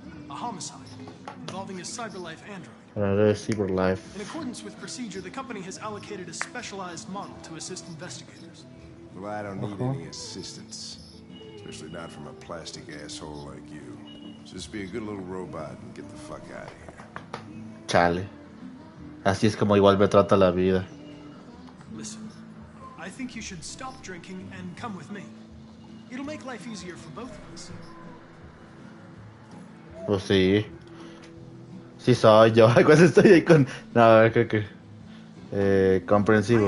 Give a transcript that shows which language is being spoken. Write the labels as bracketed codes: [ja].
[en] A homicide involving a CyberLife android. CyberLife. In accordance with procedure, the company has allocated a specialized model to assist investigators. Well, I don't need any assistance. Especially not from a plastic asshole like you. So just be a good little robot and get the fuck out of here. [es] Chale. Así es como igual me trata la vida. [en] Listen, I think you should stop drinking and come with me. It'll make life easier for both of us. [es] Pues sí. Sí, soy yo. Pues estoy ahí con... No, creo que... comprensivo.